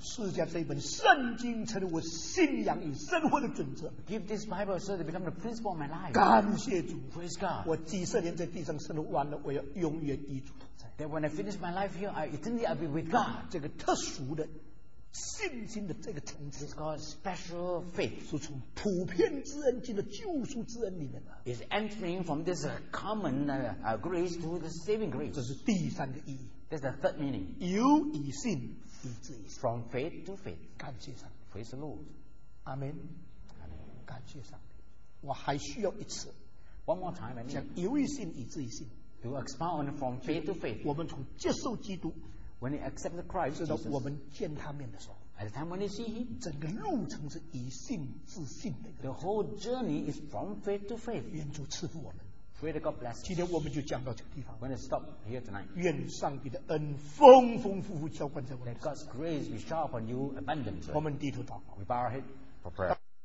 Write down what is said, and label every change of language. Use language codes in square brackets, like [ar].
[zh] 赐下这本圣经成了我信仰与生活的准则。 [en] Give this Bible so that it becomes the principle of my life. [zh] 感谢主。 [en] Praise God. [zh] 我几十年在地上生活完了，我要永远与主同在。 [en] That when I finish my life here, I eternally I'll be with God. [zh] 这个特殊的信心的这个层次 [en] is called special faith. [zh] 是从普遍之恩进的救赎之恩里面的。 [en] Is entering from this common grace to the saving grace. [zh] 这是第三个意义。 [en] That's the third meaning. [zh] 由以信，以至以信。 [en] From faith to faith. [zh] 感谢上帝。 [en] Praise the Lord. Amen. Amen. [zh] 感谢上帝。我还需要一次。 [en] One more time, I need. [zh] 讲由以信，以至以信。 [en] To expound on from faith to faith. [zh] 我们从接受基督。 [en] When you accept the Christ, [zh] 直到我们见他面的时候。 [en] At the time when you see him. [zh] 整个路程是以信至信的。 [en] The whole journey is from faith to faith. [zh] 愿主赐福我们。 [en] Pray that God bless us. [zh] 今天我们就讲到这个地方。 [en] We're going to stop here tonight. [zh] 愿上帝的恩丰丰富富浇灌在我们。 [en] Let God's grace be sharp on you abundantly. [zh] 我们低头祷告。 [en] We bow our head for prayer.